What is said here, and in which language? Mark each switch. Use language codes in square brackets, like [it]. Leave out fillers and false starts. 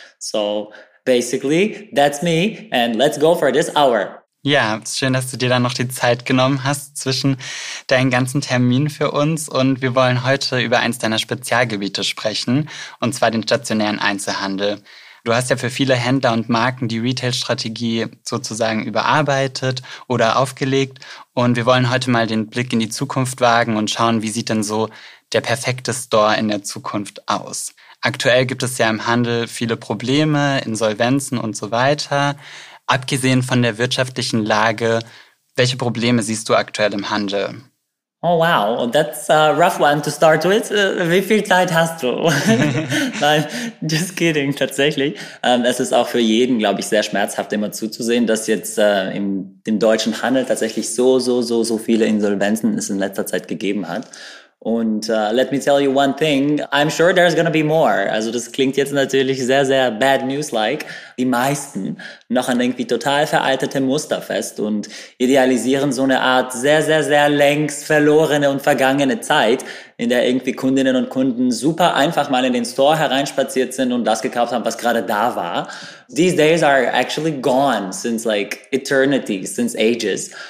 [en] So basically, that's me and let's go for this hour. [de] Ja, ist schön, dass du dir dann noch die Zeit genommen hast zwischen deinen ganzen Terminen für uns. Und wir wollen heute über eins deiner Spezialgebiete sprechen, und zwar den stationären Einzelhandel. Du hast ja für viele Händler und Marken die Retail-Strategie sozusagen überarbeitet oder aufgelegt. Und wir wollen heute mal den Blick in die Zukunft wagen und schauen, wie sieht denn so der perfekte Store in der Zukunft aus. Aktuell gibt es ja im Handel viele Probleme, Insolvenzen und so weiter. Abgesehen von der wirtschaftlichen Lage, welche Probleme siehst du aktuell im Handel? [en] Oh wow, that's a rough one to start with. [de] Wie viel Zeit hast du? Nein, [en] just kidding, [de] tatsächlich. Es ist auch für jeden, glaube ich, sehr schmerzhaft, immer zuzusehen, dass jetzt in dem deutschen Handel tatsächlich so viele Insolvenzen es in letzter Zeit gegeben hat. [en] Und let me tell you one thing, I'm sure there's gonna be more. [de] Also das klingt jetzt natürlich sehr, sehr bad news-like. Die meisten noch an irgendwie total veraltete Muster fest und idealisieren so eine Art sehr, sehr, sehr längst verlorene und vergangene Zeit, in der irgendwie Kundinnen und Kunden super einfach mal in den Store hereinspaziert sind und das gekauft haben, was gerade da war. [en] These days are actually gone since like eternity, since ages.